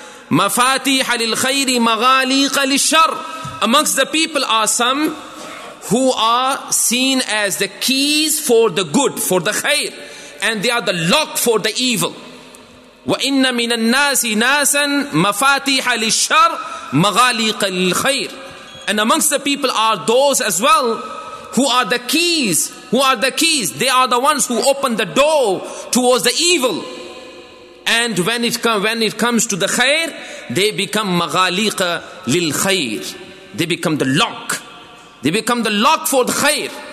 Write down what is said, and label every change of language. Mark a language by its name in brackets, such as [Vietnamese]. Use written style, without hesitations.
[Arabic] مفاتيح للخير مغاليق للشر. [English] Amongst the people are some who are seen as the keys for the good, for the khair, and they are the lock for the evil. [Arabic] وإن من الناس ناسا مفاتيح للشر مغاليق للخير. [English] And amongst the people are those as well who are the keys. Who are the keys? They are the ones who open the door towards the evil. And when it comes to the khair, they become [Arabic] maghaliqa lil khair. [English] They become the lock. They become the lock for the khair.